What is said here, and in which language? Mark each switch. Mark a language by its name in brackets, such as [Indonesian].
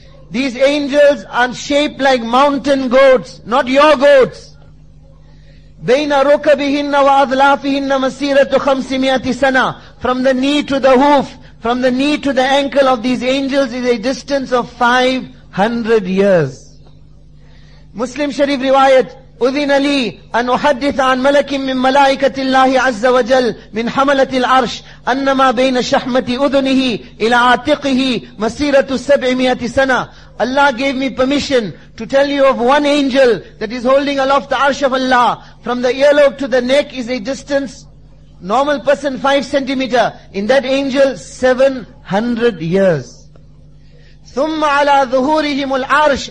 [English] These angels are shaped like mountain goats, not your goats. [Arabic] بَيْنَ رُكَبِهِنَّ وَأَذْلَافِهِنَّ مَسِيرَةُ خَمْسِمِيَةِ سَنَةٍ. [English] From the knee to the hoof, from the knee to the ankle of these angels is a distance of 500 years. [Arabic] Muslim Sharif riwayat, أُذِنَ لِي أَنْ أُحَدِّثَ عَنْ مَلَكٍ مِّن مَلَائِكَةِ اللَّهِ عَزَّ وَجَلْ مِنْ حَمَلَةِ الْعَرْشِ أَنَّمَا بَيْنَ شَحْمَةِ أُذُنِهِ إِلَىٰ عَاتِقِهِ مَسِيرَةُ السَّبْعِمِيَةِ سَنَةِ. [English] Allah gave me permission to tell you of one angel that is holding aloft the arsh of Allah. From the earlobe to the neck is a distance, normal person 5 centimeters, in that angel 700 years. [Arabic] ثُمَّ عَلَىٰ ظُهُورِهِمُ الْعَرْشِ.